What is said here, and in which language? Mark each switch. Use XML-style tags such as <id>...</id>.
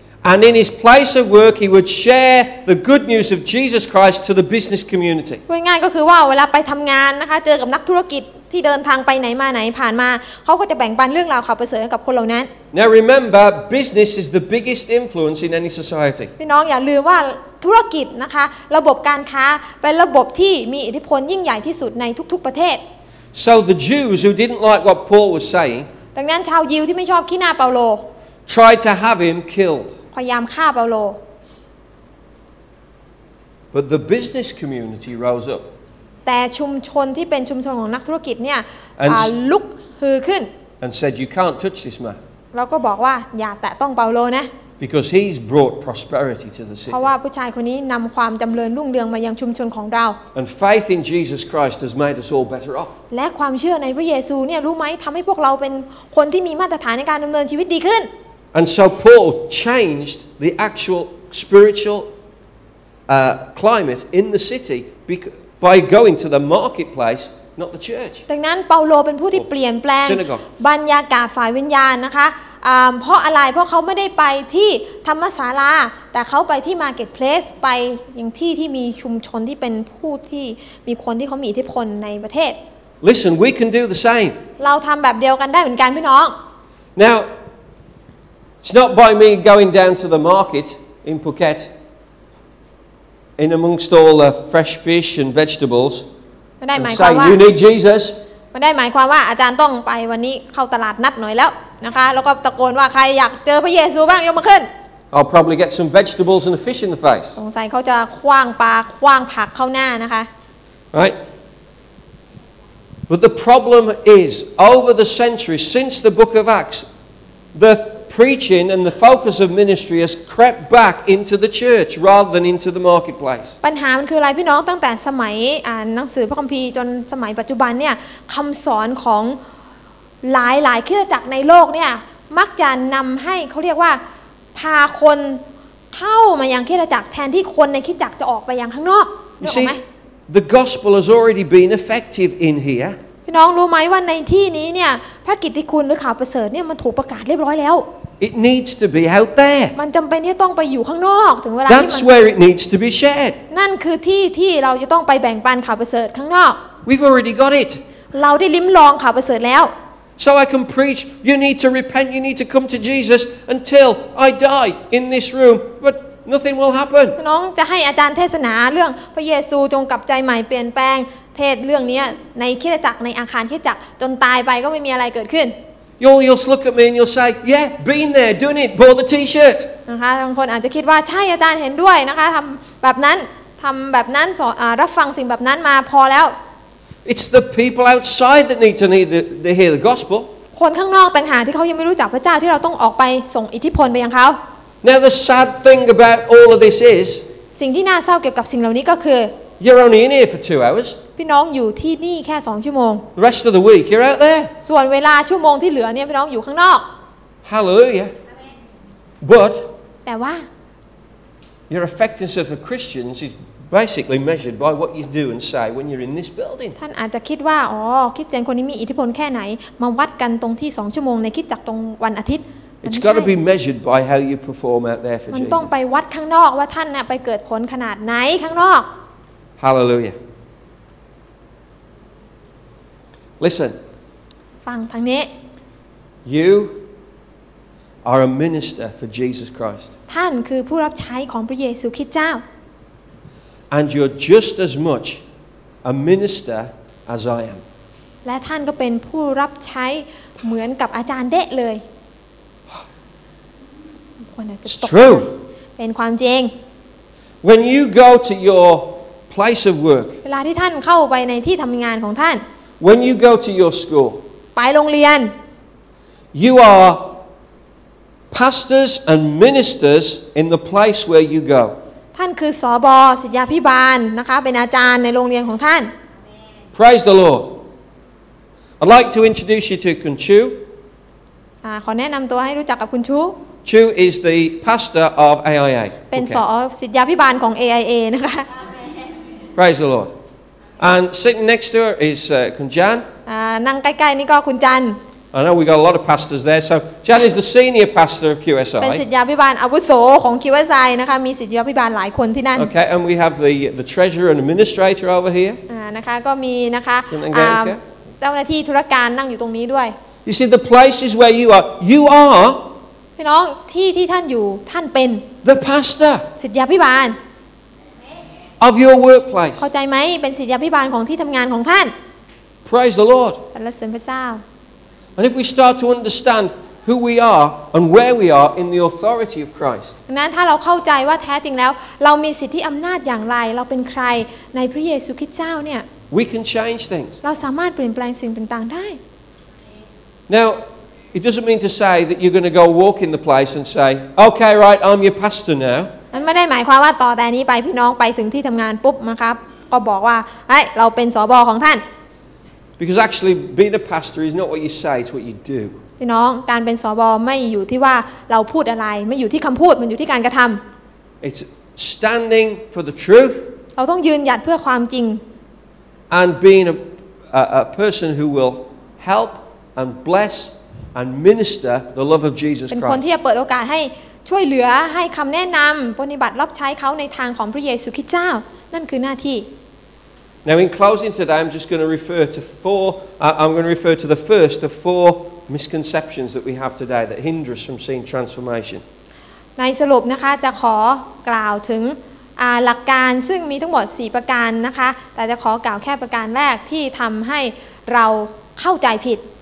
<en>And in his place of work, he would share the good news of Jesus Christ to the business community.</en> <th>ง่ายๆก็คือว่าเวลาไปทำงานนะคะเจอกับนักธุรกิจที่เดินทางไปไหนมาไหนผ่านมาเขาก็จะแบ่งปันเรื่องราวข่าวประเสริฐกับคนเหล่านั้น</th> <en>Now remember business is the biggest influence in any society</en> <th>พี่น้องอย่าลืมว่า ธุรกิจนะคะระบบการค้าเป็นระบบที่มีอิทธิพลยิ่งใหญ่ที่สุดในทุกๆประเทศ</th> <en>So the Jews who didn't like what Paul was saying</en> <th>ดังนั้นชาวยิวที่ไม่ชอบขี้หน้าเปาโล</th> <en>tried to have him killed</en> <th>พยายามฆ่าเปาโล</th> <en>But the business community rose up</en> <th>แต่ชุมชนที่เป็นชุมชนของนักธุรกิจเนี่ยลุกฮือขึ้น</th> <en>and said you can't touch this man</en> <th>เราก็บอกว่าอย่าแตะต้องเปาโลนะ</th> <en>Because he's brought prosperity to the city.</en> <th>เพราะว่าผู้ชายคนนี้นำความจำเริญรุ่งเรืองมายังชุมชนของเรา</th> <en>And faith in Jesus Christ has made us all better off.</en> <th>และความเชื่อในพระเยซูเนี่ยรู้ไหมทำให้พวกเราเป็นคนที่มีมาตรฐานในการดำเนินชีวิตดีขึ้น</th> <en>And so Paul changed the actual spiritual climate in the city by going to the marketplace. Not the church.</en> <th>ดังนั้นเปาโลเป็นผู้ที่เปลี่ยนแปลงบรรยากาศฝ่ายวิญญาณนะคะเพราะอะไรเพราะเขาไม่ได้ไปที่ธรรมศาลาแต่เขาไปที่มาร์เก็ตเพลสไปยังที่ที่มีชุมชนที่เป็นผู้ที่มีคนที่เขามีอิทธิพลในประเทศ</th> <en>Listen we can do the same</en> <th>เราทำแบบเดียวกันได้เหมือนกันพี่น้อง</th> <en>Now it's not by me going down to the market in Phuket in amongst all the fresh fish and vegetables.</en> <th>ไม่ได้หมายความว่ า ไม่ ได้หมายความว่าอาจารย์ต้องไปวันนี้เข้าตลาดนัดหน่อยแล้วนะคะแล้วก็ตะโกนว่าใครอยากเจอพระเยซูบ้างยกมือขึ้น</th> <en>I'll probably get some vegetables and a fish in the face</en> <th>สงสัยเขาจะขว้างปลาขว้างผักเข้าหน้านะคะ</th> <en>Right But the problem is over the centuries since the book of Acts the preaching and the focus of ministry has crept back into the church rather than into the marketplace</en> <th>ปัญหามันคืออะไรพี่น้องตั้งแต่สมัยอ่านหนังสือพระคัมภีร์จนสมัยปัจจุบันเนี่ยคำสอนของหลายๆเครือจักรในโลกเนี่ยมักจะนำให้เขาเรียกว่าพาคนเข้ามายังเครือจักรแทนที่คนในเครือจักรจะออกไปยังข้างนอก ใช่ไหม</th> <en>The gospel has already been effective in here</en> <th>พี่น้องรู้ไหมว่าในที่นี้เนี่ยพระกิตติคุณหรือข่าวประเสริฐเนี่ยมันถูกประกาศเรียบร้อยแล้ว</th> <en>It needs to be out there</en> <th>มันจำเป็นที่ต้องไปอยู่ข้างนอกถึงเวลา</th> <en>That's where it needs to be shared</en> <th>นั่นคือที่ที่เราจะต้องไปแบ่งปันข่าวประเสริฐข้างนอก</th> <en>We've already got it</en> <th>เราได้ลิ้มลองข่าวประเสริฐแล้ว</th> <en>So I can preach you need to repent you need to come to Jesus until I die in this room butNothing will happen.</en> <th>น้องจะให้อาจารย์เทศนาเรื่องพระเยซูจงกลับใจใหม่เปลี่ยนแปลงเทศเรื่องนี้ในคริสตจักรในอาคารคริสตจักรจนตายไปก็ไม่มีอะไรเกิดขึ้น</th> <en>You'll look at me and you'll say, "Yeah, been there, done it, bought the T-shirt."</en> <th>นะคะบางคนอาจจะคิดว่าใช่อาจารย์เห็นด้วยนะคะทำแบบนั้นรับฟังสิ่งแบบนั้นมาพอแล้ว</th> <en>It's the people outside that need to hear the gospel.</en> <th>คนข้างนอกต่างหากที่เขายังไม่รู้จักพระเจ้าที่เราต้องออกไปส่งอิทธิพลไปยังเขา</th> <en>Now the sad thing about all of this is</en> <th>สิ่งที่น่าเศร้าเกี่ยวกับสิ่งเหล่านี้ก็คือ</th> <en>You're only in here for 2 hours</en> <th>พี่น้องอยู่ที่นี่แค่2ชั่วโมง</th> <en>The rest of the week you're out there</en> <th>ส่วนเวลาชั่วโมงที่เหลือเนี่ยพี่น้องอยู่ข้างนอก</th> <en>Hallelujah But</en> <th>แต่ว่า</th> <en>Your effectiveness of a Christian is basically measured by what you do and say when you're in this building</en> <th>ท่านอาจจะคิดว่าอ๋อคริสเตียนคนนี้มีอิทธิพลแค่ไหนมาวัดกันตรงที่2ชั่วโมงในคริสตจักรตรงวันอาทิตย์</th> <en>It's got to be measured by how you perform out there for Jesus.</en> <th>มันต้องไปวัดข้างนอกว่าท่านน่ะไปเกิดผลขนาดไหนข้างนอก</th> <en>Hallelujah. Listen.</en> <th>ฟังทางนี้</th> <en>You are a minister for Jesus Christ.</en> <th>ท่านคือผู้รับใช้ของพระเยซูคริสต์เจ้า</th> <en>And you're just as much a minister as I am.</en> <th>และท่านก็เป็นผู้รับใช้เหมือนกับอาจารย์เดะเลย</th> <en>It's true.</en> <th>เป็นความจริง</th> <en>When you go to your place of work,</en> <th>เวลาที่ท่านเข้าไปในที่ทำงานของท่าน</th> <en>When you go to your school,</en> <th>ไปโรงเรียน</th> <en>You are pastors and ministers in the place where you go.</en> <th>ท่านคือสบศิษยาภิบาลนะคะเป็นอาจารย์ในโรงเรียนของท่าน</th> <en>Praise the Lord. I'd like to introduce you to Kun Chu.</en> <th>ขอแนะนำตัวให้รู้จักกับคุณชู</th> <en>Chu is the pastor of AIA.</en> <th>เป็นสอศิษยาภิบาลของ AIA นะคะ</th> <en>Praise the Lord. And sitting next to her is Kun Jan.</en> <th>นั่งใกล้ๆนี่ก็คุณจัน</th> <en>I know we got a lot of pastors there. So Jan is the senior pastor of QSI.</en> <th>เป็นศิษยาภิบาลอาวุโสของ QSI นะคะมีศิษยาภิบาลหลายคนที่นั่น</th> <en>Okay, and we have the treasurer and administrator over here.</en> <th>นะคะก็มีนะคะเจ้าหน้าที่ธุรการนั่งอยู่ตรงนี้ด้วย</th> <en>You see the places where you are. You are</en> <th>พี่น้องที่ที่ท่านอยู่ท่านเป็น</th> <en>The pastor</en> <th>ศิษยาภิบาล</th> <en>of your workplace</en> <th>เข้าใจไหมเป็นศิษยาภิบาลของที่ทำงานของท่าน</th> <en>Praise the Lord</en> <th>สรรเสริญพระเจ้า</th> <en>And if we start to understand who we are and where we are in the authority of Christ</en> <th>นั้นถ้าเราเข้าใจว่าแท้จริงแล้วเรามีสิทธิอำนาจอย่างไรเราเป็นใครในพระเยซูคริสต์เจ้าเนี่ย</th> <en>We can change things</en> <th>เราสามารถเปลี่ยนแปลงสิ่งต่างๆได้</th> <en>Now it doesn't mean to say that you're going to go walk in the place and say okay right I'm your pastor now</en> <th>มันไม่ได้หมายความว่าต่อแต่นี้ไปพี่น้องไปถึงที่ทำงานปุ๊บนะครับก็บอกว่าเฮ้ยเราเป็นสบอของท่าน</th> <en>Because actually being a pastor is not what you say it's what you do</en> <th>พี่น้องการเป็นสบอไม่อยู่ที่ว่าเราพูดอะไรไม่อยู่ที่คำพูดมันอยู่ที่การกระทำ</th> <en>It's standing for the truth</en> <th>เราต้องยืนหยัดเพื่อความจริง</th> <en>and being a person who will help and bless and minister the love of Jesus Christ</en> <th>เป็นคนที่จะเปิดโอกาสให้ช่วยเหลือให้คำแนะนำปฏิบัติรับใช้เขาในทางของพระเยซูคริสต์เจ้านั่นคือหน้าที่</th> <en>Now in closing today I'm just going to refer to four I'm going to refer to the first of four misconceptions that we have today that hinder us from seeing transformation</en> <th>ในสรุปนะคะจะขอกล่าวถึงหลักการซึ่งมีทั้งหมด4ประการนะคะแต่จะขอกล่าวแค่ประการแรกที่ทำให้เราเข้าใจผิด</th>